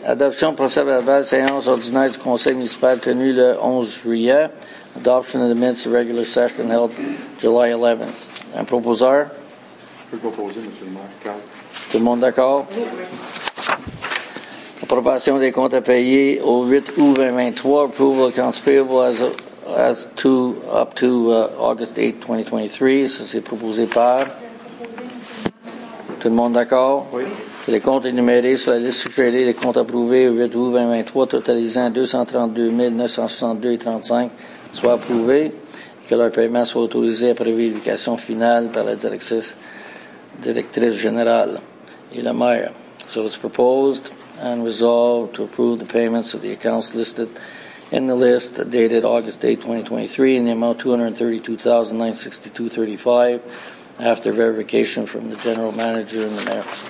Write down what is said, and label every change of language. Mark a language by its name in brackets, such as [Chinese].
[French] Adoption procès-verbal, séance ordinaire du Conseil municipal tenue le 11 juillet. [English] Adoption of the minutes of regular session held July 11th. [French] Un proposeur? Je peux proposer, M. le maire. Tout le monde d'accord? Oui. Approbation des comptes à payer au 8 août 2023, [English] approval accounts payable as to up to August 8, 2023. [French] Ça, c'est proposé par. Tout le monde d'accord? Oui. Les comptes énumérés sur la liste suggérée des comptes approuvés au 8 août 2023, totalisant 232 962,35, soit approuvé et que leur paiement soit autorisé après vérification finale par la directrice générale et le maire. [English] So it's proposed. And resolve to approve the payments of the accounts listed in the list dated August 8, 2023 in the amount $232,962.35 after verification from the general manager and the mayor.